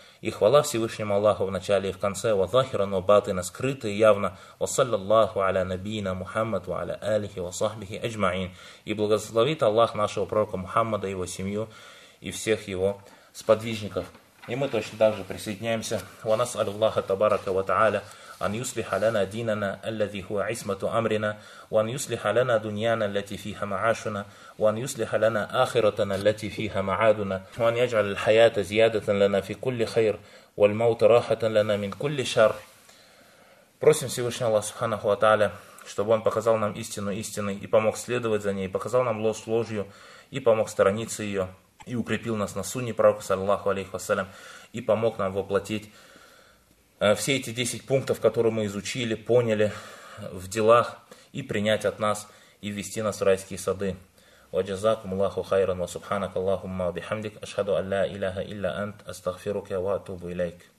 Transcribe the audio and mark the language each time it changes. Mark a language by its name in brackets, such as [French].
[Russian] и хвала Всевышнему Аллаху в начале и в конце, [Arabic] وَظَاهِرًا وَبَاطِنًا, [Russian] скрыто и явно, [Arabic] وَصَلَّى اللَّهُ عَلَى نَبِيِّنَا مُحَمَّدٍ وَعَلَى آلِهِ وَصَحْبِهِ أَجْمَعِينَ. [Russian] И благословит Аллах нашего пророка Мухаммада, его семью и всех его сподвижников. И мы точно так же присоединяемся. [Arabic] وَنَسْأَلُ اللَّهَ تَبَارَكَ وَتَعَالَى أَنْ يُصْلِحَ لَنَا دِينَنَا الَّذِي هُوَ عِصْمَةُ أَمْرِنَا وَأَنْ يُصْلِحَ لَنَا دُنْيَانَا الَّتِي فِيهَا مَعَاشُنَا وأن يصلح لنا آخرتنا التي فيها معادنا وأن يجعل الحياة زيادة لنا في كل خير والموت راحة لنا من كل شر. [Russian] Просим Всевышнего Аллаха Субханаху ва Тааля, чтобы Он показал нам истину истиной и помог следовать за ней, показал нам ложь ложью и помог сторониться ее, и укрепил нас на сунне пророка саллаллаху алейхи вассалям, и помог нам воплотить все эти 10 пунктов, которые мы изучили, поняли в делах, и принять от нас и ввести нас в райские сады. [Arabic] وجزاكم الله خيرا وسبحانك اللهم وبحمدك أشهد أن لا إله إلا أنت أستغفرك وأتوب إليك.